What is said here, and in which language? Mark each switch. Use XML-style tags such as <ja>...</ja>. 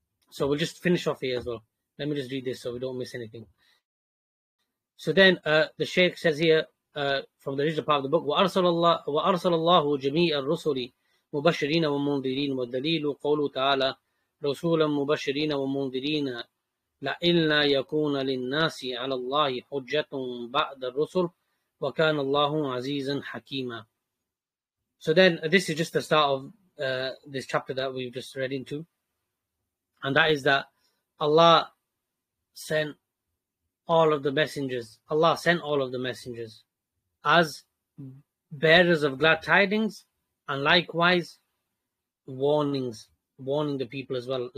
<en>So we'll just finish off here as well. Let me just read this so we don't miss anything. So then the Shaykh says here from the original part of the book,</en> <ar>وَأَرْسَلَ اللَّهُ جَمِيعَ الرُّسُلِ مُبَشِّرِينَ وَمُنذِرِينَ وَالدَّلِيلُ قَوْلُ تَعَالَى رَسُولًا مُبَشِّرِينَ وَمُنذِرِينَ لَإِلَّا يَكُونَ لِلنَّاسِ عَلَى اللَّهِ حُجَّةٌ بَعْدَ الرُّسُلِ وَكَانَ اللَّهُ عَزِيزًا حَكِيمًا.</ar> <en>So then this is just the start of this chapter that we've just read into. And that is that Allah sent all of the messengers. Allah sent all of the messengers as bearers of glad tidings, and likewise warnings, warning the people as well.</en>